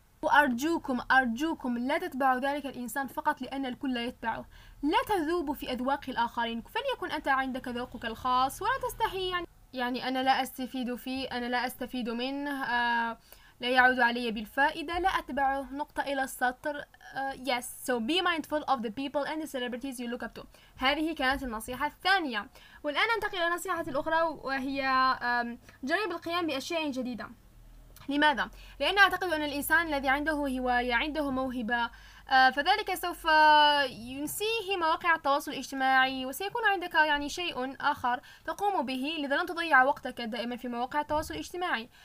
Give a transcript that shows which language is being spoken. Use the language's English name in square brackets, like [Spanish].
[Arabic] وأرجوكم أرجوكم لا تتبعوا ذلك الإنسان فقط لأن الكل يتبعه، لا تذوبوا في أذواق الآخرين، فليكن أنت عندك ذوقك الخاص، ولا تستحي يعني أنا لا أستفيد فيه، أنا لا أستفيد منه، لا يعود علي بالفائدة، لا أتبعه، نقطة إلى السطر. [English] Yes, so be mindful of the people and the celebrities you look up to. [Arabic] هذه كانت النصيحة الثانية، والآن أنتقل إلى النصيحة الأخرى، وهي جرب القيام بأشياء جديدة. لماذا؟ لأن أعتقد أن الإنسان الذي عنده هواية، عنده موهبة، فذلك سوف ينسيه مواقع التواصل الاجتماعي، وسيكون عندك يعني شيء آخر تقوم به، لذا لن تضيع وقتك دائما في مواقع التواصل الاجتماعي.